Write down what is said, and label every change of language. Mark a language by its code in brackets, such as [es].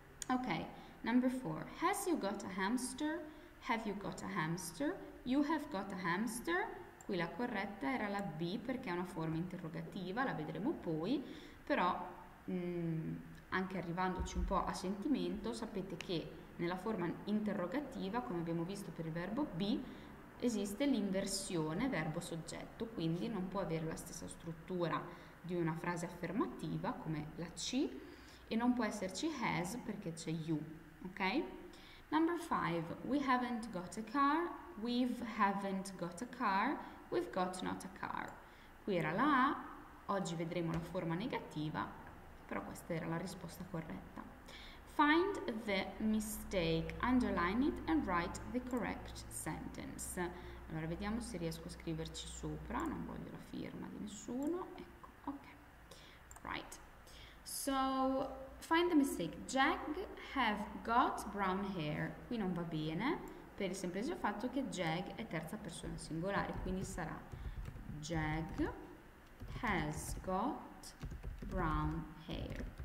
[en] Ok, number four, has you got a hamster? Have you got a hamster? You have got a hamster? [it] Qui la corretta era la B perché è una forma interrogativa, la vedremo poi, però anche arrivandoci un po' a sentimento, sapete che nella forma interrogativa, come abbiamo visto per il verbo be, esiste l'inversione verbo-soggetto, quindi non può avere la stessa struttura di una frase affermativa come la C e non può esserci has perché c'è you, ok? [en] Number 5, we haven't got a car, we've haven't got a car, we've got not a car. [it] Qui era la A, oggi vedremo la forma negativa, però questa era la risposta corretta. [en] Find the mistake, underline it and write the correct sentence. [it] Allora, vediamo se riesco a scriverci sopra, non voglio la firma di nessuno. Ecco, [en] So, find the mistake. Jack have got brown hair. [it] Qui non va bene per il semplice fatto che Jack è terza persona singolare, quindi sarà [en] Jack has got brown hair.